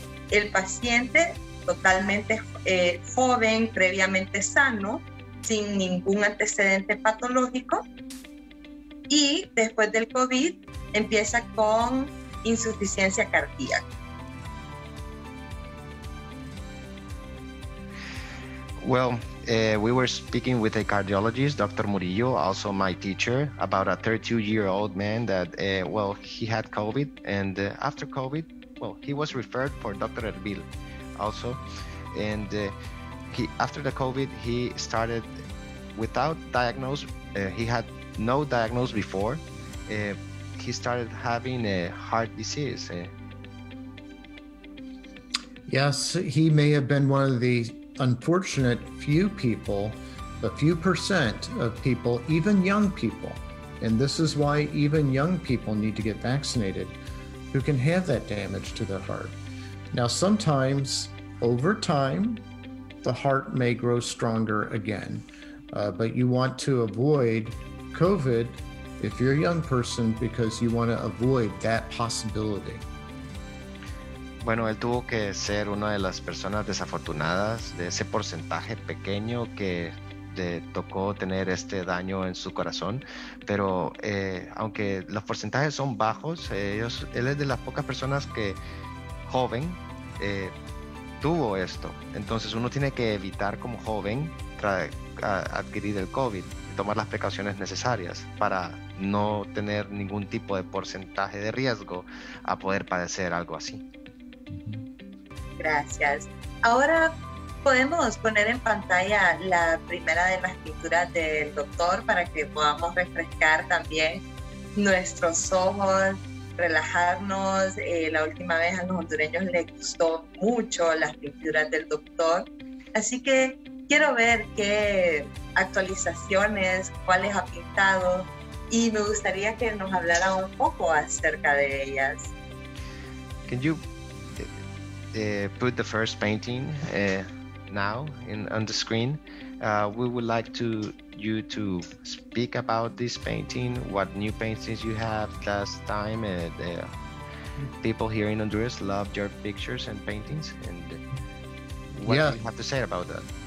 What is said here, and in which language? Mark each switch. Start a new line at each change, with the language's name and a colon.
Spanish: El paciente totalmente joven, previamente sano, sin ningún antecedente patológico, y después del COVID empieza con insuficiencia cardíaca.
English: Well, we were speaking with a cardiologist, Dr. Murillo, also my teacher, about a 32-year-old man that, he had COVID, and after COVID, he was referred for Dr. Erbil also, and after the COVID, he started without diagnosis. He had no diagnosis before. He started having a heart disease. Yes, he may have been one of the unfortunate few people, a few percent of people, even young people. And this is why even young people need to get vaccinated, who can have that damage to their heart. Now, sometimes over time, the heart may grow stronger again, but you want to avoid COVID if you're a young person, because you want to avoid that possibility.
Spanish: Bueno, él tuvo que ser una de las personas desafortunadas, de ese porcentaje pequeño que le tocó tener este daño en su corazón. Pero aunque los porcentajes son bajos, él es de las pocas personas que joven tuvo esto. Entonces uno tiene que evitar como joven adquirir el COVID, tomar las precauciones necesarias para no tener ningún tipo de porcentaje de riesgo a poder padecer algo así. Gracias. Ahora podemos poner en pantalla la primera de las pinturas del doctor para que podamos refrescar también nuestros ojos, relajarnos. La última vez a los hondureños les gustó mucho las pinturas del doctor. Así que quiero ver qué actualizaciones, cuáles ha pintado, y me gustaría que nos hablara un poco acerca de ellas.
English: Can you put the first painting now on the screen? We would like to you to speak about this painting, what new paintings you have last time, and people here in Honduras loved your pictures and paintings, and what do you have to say about that?